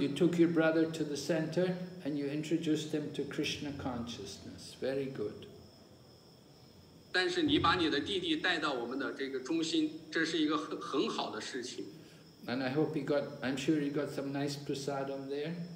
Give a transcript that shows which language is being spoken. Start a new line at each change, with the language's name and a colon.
English: You took your brother to the center and you introduced him to Krishna consciousness. Very good.
Chinese: 但是你把你的弟弟带到我们的这个中心，这是一个很好的事情。
English: And I hope he got, I'm sure he got some nice prasadam there.